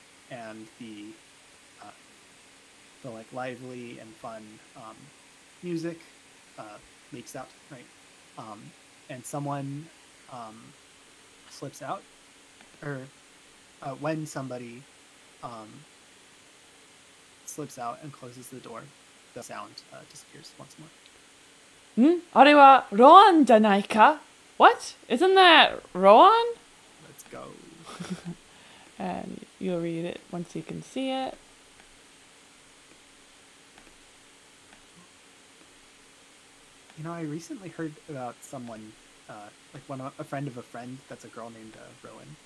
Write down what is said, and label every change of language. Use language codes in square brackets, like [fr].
[en] And the like lively and fun music leaks out, right? And someone slips out, when somebody slips out and closes the door, the sound disappears once more. [ja] あれはローアンじゃないか? [en] What? Isn't that Rowan? Let's go. And you'll read it once you can see it. You know, I recently heard about someone, like one a friend of a friend, that's a girl named Rowan.